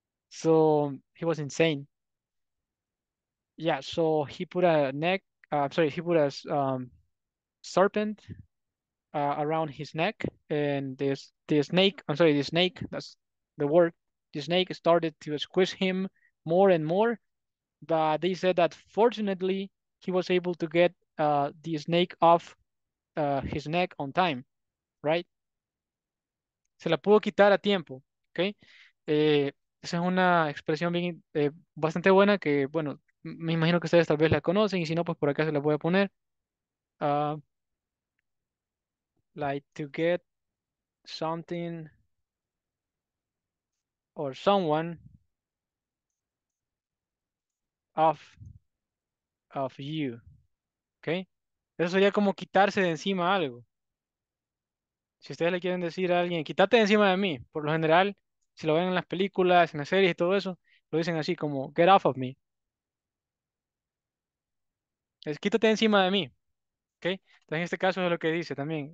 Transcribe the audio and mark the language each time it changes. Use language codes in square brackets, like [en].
[en] So he was insane. Yeah, so he put a neck, he put a serpent around his neck, and the snake started to squeeze him more and more. But they said that fortunately, he was able to get the snake off his neck on time. [es] Right? Se la pudo quitar a tiempo, okay? Esa es una expresión bien bastante buena que, bueno, me imagino que ustedes tal vez la conocen, y si no, pues por acá se la voy a poner. [en] Like to get something or someone off you, okay? [es] Eso sería como quitarse de encima algo. Si ustedes le quieren decir a alguien, quítate de encima de mí, por lo general, si lo ven en las películas, en las series y todo eso, lo dicen así, como, [en] get off of me. [es] Es quítate de encima de mí. ¿Okay? Entonces, en este caso es lo que dice también.